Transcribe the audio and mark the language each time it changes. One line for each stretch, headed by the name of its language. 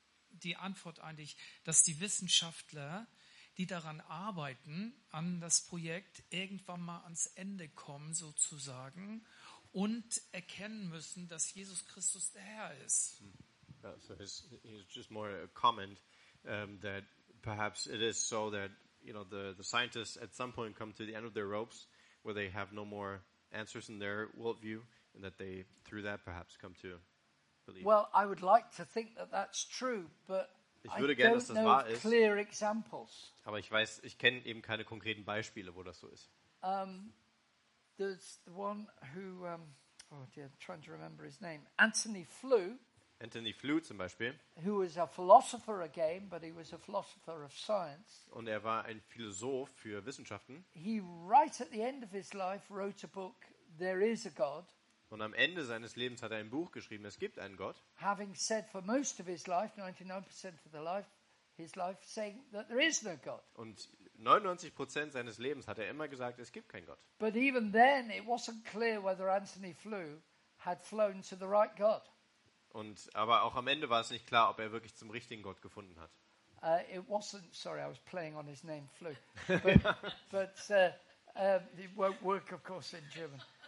German: Die Antwort eigentlich, dass die Wissenschaftler, die daran arbeiten, an das Projekt, irgendwann mal ans Ende kommen sozusagen und erkennen müssen, dass Jesus Christus der Herr ist.
English: Ja, so it's just more a comment. That perhaps it is so that, you know, the scientists at some point come to the end of their ropes where they have no more answers in their worldview and that they, through that, perhaps come to believe. Well, I would like to think that that's true, but
German: ich würde gerne, dass das wahr ist.
English: Clear examples.
German: Aber ich kenne eben keine konkreten Beispiele, wo das so ist.
English: There's the one who, oh dear, trying to remember his name, Anthony Flew.
German: Anthony Flew zum Beispiel.
English: Who was a philosopher again, but he was a philosopher of science.
German: Und er war ein Philosoph für Wissenschaften.
English: He right at the end of his life wrote a book, There is a God.
German: Und am Ende seines Lebens hat er ein Buch geschrieben, es gibt einen Gott.
English: Having said for most of his life, 99% of the life, his life saying that there is no God.
German: Und 99% seines Lebens hat er immer gesagt, es gibt keinen Gott.
English: But even then it wasn't clear whether Anthony Flew had flown to the right God.
German: Und aber auch am Ende war es nicht klar, ob er wirklich zum richtigen Gott gefunden hat.
English: I was playing on his name Flew. But, it won't work of course in German.